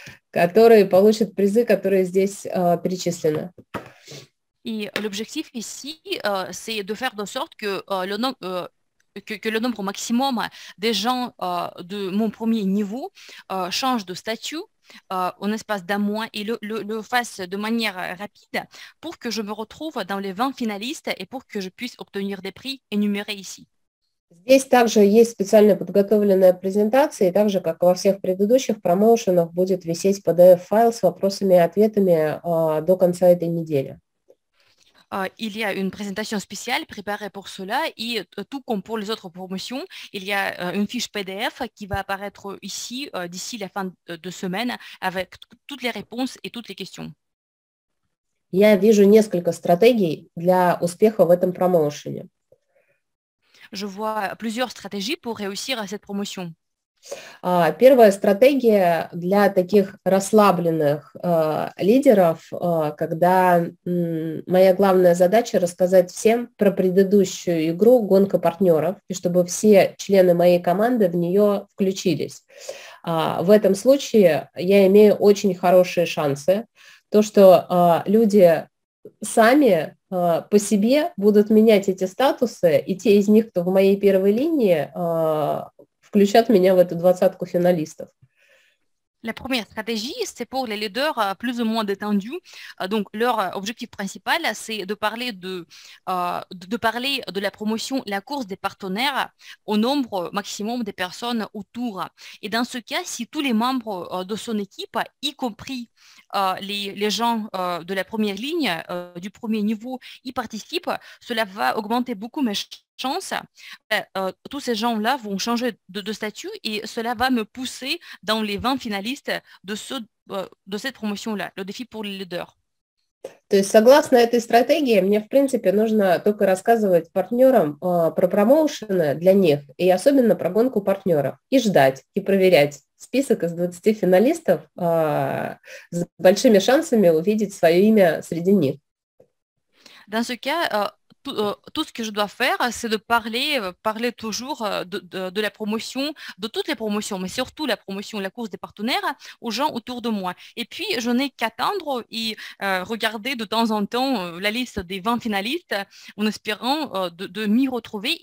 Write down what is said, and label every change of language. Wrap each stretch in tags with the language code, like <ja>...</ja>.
<ru>которые получат призы, которые здесь перечислены. И</ru> <fr>l'objectif ici c'est de faire de sorte que le nombre que le nombre maximum des gens de mon premier niveau change de statut en espace d'un mois et le fasse de manière rapide pour que je me retrouve dans les 20 finalistes et pour que je puisse obtenir des prix énumérés ici.</fr> <ru>Здесь также есть специально подготовленная презентация, и также, как во всех предыдущих промоушенах, будет висеть PDF-файл с вопросами и ответами до конца этой недели.</ru> <fr>Il y a une présentation spéciale préparée pour cela, et tout comme pour les autres promotions, il y a une fiche PDF qui va apparaître ici d'ici la fin de semaine avec toutes les réponses et toutes les questions.</fr> <ru>Я вижу несколько стратегий для успеха в этом промоушене.</ru> <fr>Je vois plusieurs stratégies pour réussir à cette promotion.</fr> <ru>Первая стратегия для таких расслабленных лидеров, когда моя главная задача рассказать всем про предыдущую игру «Гонка партнеров», и чтобы все члены моей команды в нее включились. В этом случае я имею очень хорошие шансы. То, что люди сами по себе будут менять эти статусы, и те из них, кто в моей первой линии, включат меня в эту двадцатку финалистов.</ru> <fr>La première stratégie, c'est pour les leaders plus ou moins détendus. Donc, leur objectif principal, c'est de parler de la promotion, la course des partenaires au nombre maximum des personnes autour. Et dans ce cas, si tous les membres de son équipe, y compris les gens de la première ligne, du premier niveau, y participent, cela va augmenter beaucoup mes chance, tous ces gens-là vont changer de statut et cela va me pousser dans les 20 finalistes de cette promotion-là, le défi pour les leaders.</fr> <ru>То есть согласно этой стратегии, мне в принципе нужно только рассказывать партнерам про промоушены для них и особенно про гонку партнеров и ждать, и проверять список из 20 финалистов с большими шансами увидеть свое имя среди них.</ru> <fr>Dans ce cas, tout ce que je dois faire, c'est de parler toujours de la promotion, de toutes les promotions, mais surtout la promotion, la course des partenaires aux gens autour de moi. Et puis, je n'ai qu'à attendre et regarder de temps en temps la liste des 20 finalistes en espérant de m'y retrouver.</fr>